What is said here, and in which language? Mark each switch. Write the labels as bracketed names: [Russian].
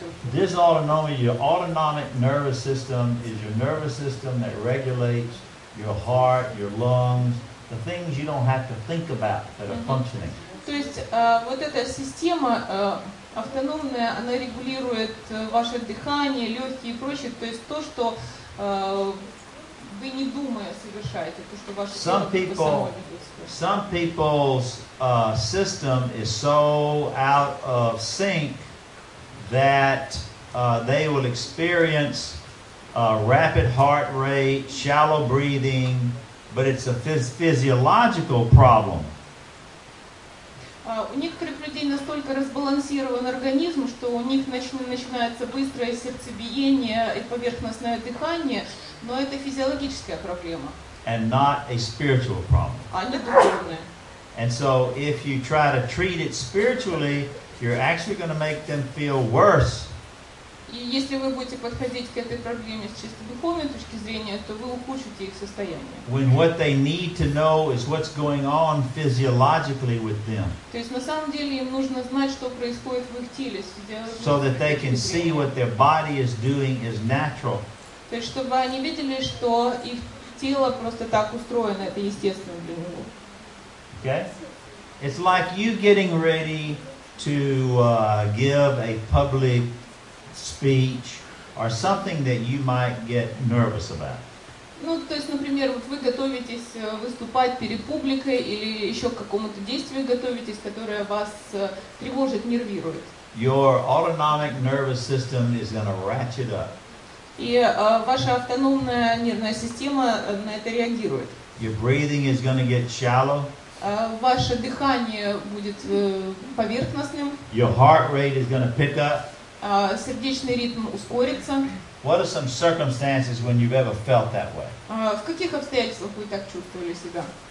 [English] Dysautonomia, your autonomic nervous system is your nervous system that regulates your heart, your lungs, the things you don't have to think about that are functioning. [Russian] То есть вот эта система автономная, она регулирует ваше дыхание, легкие и прочее, то есть то, что вы не думая совершаете, то, что ваше тело само делает. [English] Some people's system is so out of sync that they will experience rapid heart rate, shallow breathing, but it's a physiological problem. [Russian] У некоторых людей настолько разбалансирован организм, что у них начинается быстрое сердцебиение и поверхностное дыхание, но это физиологическая проблема. [English] And not a spiritual problem. [Russian] А не духовная. [English] And so if you try to treat it spiritually, you're actually going to make them feel worse. [Russian] И если вы будете подходить к этой проблеме с чисто духовной точки зрения, то вы ухудшите их состояние. [English] When what they need to know is what's going on physiologically with them. [Russian] То есть на самом деле им нужно знать, что происходит в их теле. [English] So that they can see what their body is doing is natural. [Russian] То есть чтобы они видели, что их тело просто так устроено, это естественно для него. [English] Okay? It's like you getting ready to give a public speech or something that you might get nervous about. [Russian] Ну, то есть, например, вот вы готовитесь выступать перед публикой или еще к какому-то действию готовитесь, которое вас тревожит, нервирует. [English] Your autonomic nervous system is going to ratchet up. [Russian] И ваша автономная нервная система на это реагирует. [English] Your breathing is going to get shallow. [Russian] Ваше дыхание будет поверхностным. [English] Your heart rate is going to pick up. [Russian] Сердечный ритм ускорится. [English] What are some circumstances when you've ever felt that way? [Russian] В каких обстоятельствах вы так чувствовали себя?